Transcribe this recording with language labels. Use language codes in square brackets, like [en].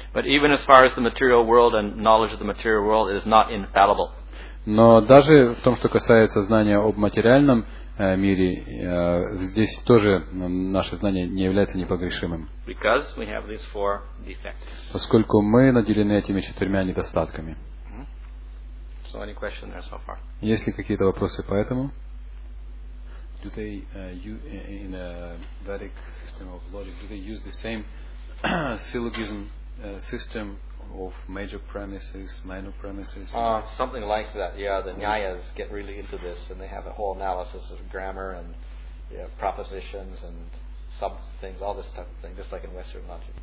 [en] But even as far as the material world and knowledge of the material world, it is not infallible. [ru] Но даже в том, что касается знания об материальном мире, здесь тоже наше знание не является непогрешимым. [en] Because we have these four defects. [ru] Поскольку мы наделены этими четырьмя недостатками. [en] Mm-hmm. So any question there so far? [ru] Есть ли какие-то вопросы по этому? [en] Do they, in a Vedic system of logic, do they use the same syllogism system of major premises, minor premises? Something like that, yeah. The Nyayas get really into this, and they have a whole analysis of grammar and propositions and sub things, all this type of thing, just like in Western logic.